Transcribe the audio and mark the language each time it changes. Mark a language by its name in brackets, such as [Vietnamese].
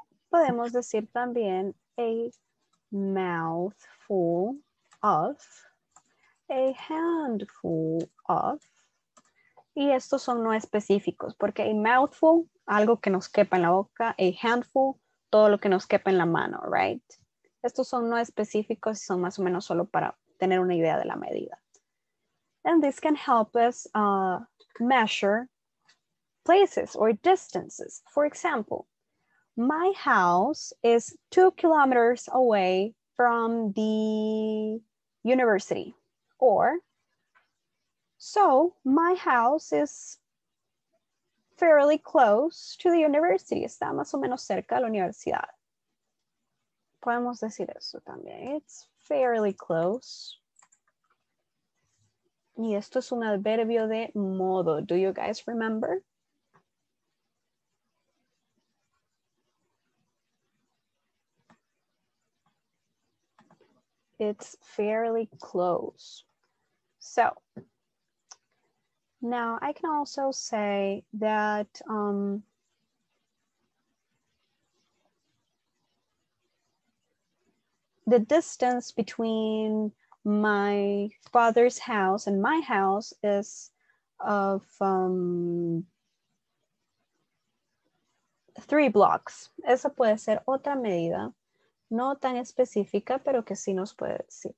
[Spanish] Podemos decir también [English] a mouthful of, a handful of, [Spanish] y estos son no específicos, porque a mouthful, algo que nos quepa en la boca, a handful, todo lo que nos quepa en la mano, right? Estos son no específicos y son más o menos solo para tener una idea de la medida. [English] And this can help us measure places or distances. For example, my house is 2 kilometers away from the university, or so my house is fairly close to the university. [Spanish] Está más o menos cerca de la universidad. Podemos decir eso también. [English] It's fairly close. [Spanish] Y esto es un adverbio de modo. [English] Do you guys remember? It's fairly close. So now I can also say that the distance between my father's house and my house is of 3 blocks. [Spanish] Esa puede ser otra medida, no tan específica, pero que sí nos puede decir.